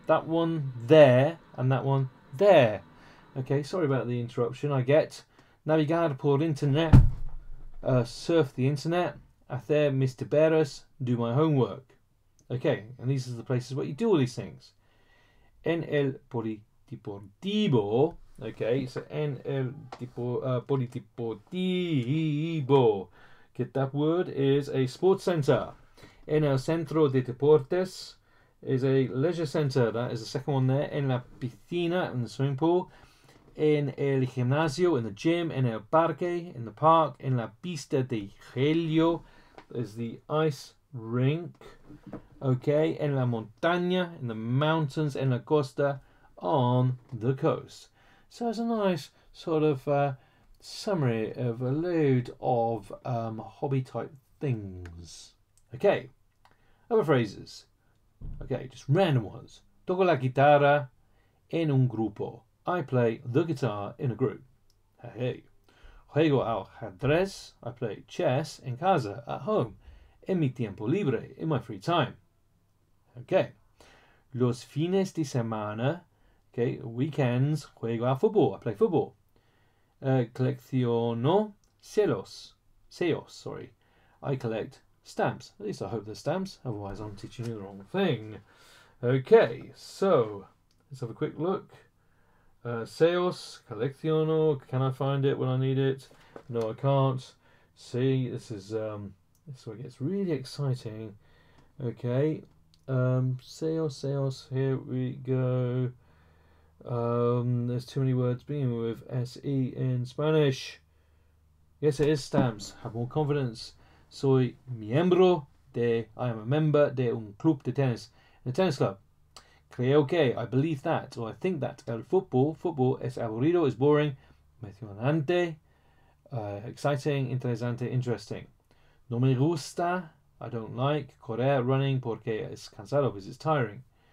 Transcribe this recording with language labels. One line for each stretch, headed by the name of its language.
English: That one there and that one there. Okay, sorry about the interruption. I get.
Spanish: Navigar por internet.
English: Surf the internet.
Spanish: Hacer mis deberes.
English: Do my homework. Okay, and these are the places where you do all these things.
Spanish: En el polideportivo.
English: Okay, so
Spanish: en el polideportivo.
English: Get that word is a sports center.
Spanish: En el centro de deportes
English: is a leisure center. That is the second one there.
Spanish: En la piscina,
English: in the swimming pool.
Spanish: En el gimnasio,
English: in the gym.
Spanish: En el parque,
English: in the park.
Spanish: En la pista de hielo
English: is the ice rink. Okay,
Spanish: en la montaña,
English: in the mountains,
Spanish: en la costa,
English: on the coast. So it's a nice sort of summary of a load of hobby type things. Okay, other phrases. Okay, just random ones.
Spanish: Toco la guitarra en un grupo.
English: I play the guitar in a group. Hey.
Spanish: Juego al ajedrez.
English: I play chess
Spanish: en casa,
English: at home.
Spanish: En mi tiempo libre,
English: in my free time. Okay,
Spanish: los fines de semana,
English: okay, weekends,
Spanish: juego a fútbol,
English: I play football.
Spanish: Colecciono celos, sellos, sorry.
English: I collect stamps. At least I hope they're stamps, otherwise I'm teaching you the wrong thing. Okay, so let's have a quick look.
Spanish: Sellos, colecciono,
English: can I find it when I need it? No, I can't. See, this is where it gets really exciting. Okay. Sales, here we go. There's too many words beginning with S-E in Spanish. Yes, it is stamps. Have more confidence.
Spanish: Soy miembro de,
English: I am a member
Spanish: de un club de tennis.
English: In the tennis club.
Spanish: Creo que,
English: I believe that, or I think that.
Spanish: El football es aburrido,
English: is boring. Emocionante, exciting, interesante, interesting.
Spanish: No me gusta.
English: I don't like
Spanish: correr,
English: running,
Spanish: porque es cansado,
English: because it's tiring.